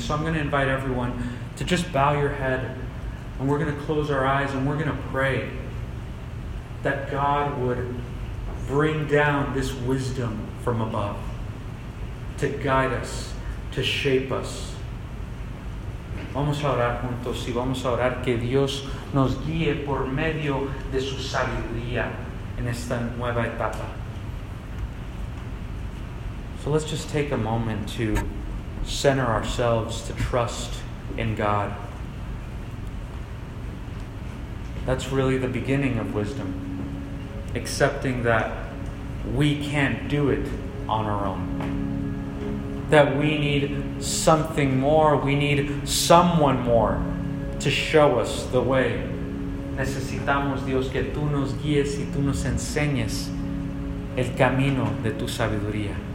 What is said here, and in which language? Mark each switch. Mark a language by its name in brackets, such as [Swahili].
[English] So I'm going to invite everyone to just bow your head, and we're going to close our eyes, and we're going to pray that God would bring down this wisdom from above to guide us, to shape us. [Spanish] Vamos a orar juntos y vamos a orar que Dios nos guíe por medio de su sabiduría en esta nueva etapa. [English] So let's just take a moment to center ourselves, to trust in God. That's really the beginning of wisdom. Accepting that we can't do it on our own. That we need something more. We need someone more to show us the way. [Spanish] Necesitamos, Dios, que tú nos guíes y tú nos enseñes el camino de tu sabiduría.